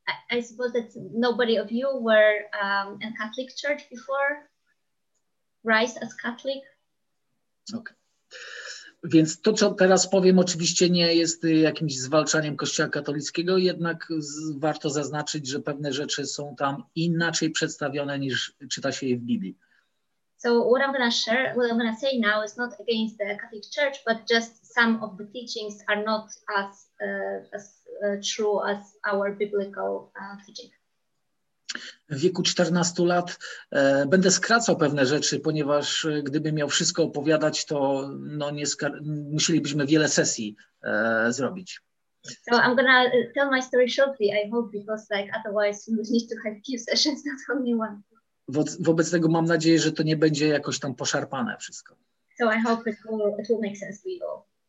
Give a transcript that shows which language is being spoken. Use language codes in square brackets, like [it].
[en] I suppose that nobody of you were in Catholic church before, raised as Catholic. Okay. [pl] Więc to, co teraz powiem, oczywiście nie jest jakimś zwalczaniem Kościoła katolickiego, jednak warto zaznaczyć, że pewne rzeczy są tam inaczej przedstawione niż czyta się je w Biblii. [en] So what I'm going to share, what I'm going to say now is not against the Catholic Church, but just some of the teachings are not as true as our biblical teaching. [pl] W wieku 14 lat będę skracał pewne rzeczy, ponieważ gdybym miał wszystko opowiadać, to no nie musielibyśmy wiele sesji zrobić. [en] So I'm going to tell my story shortly, I hope, because like otherwise we would need to have a few sessions, not only one. [pl] Wobec tego mam nadzieję, że to nie będzie jakoś tam poszarpane wszystko. [en] So I hope it will make sense to you.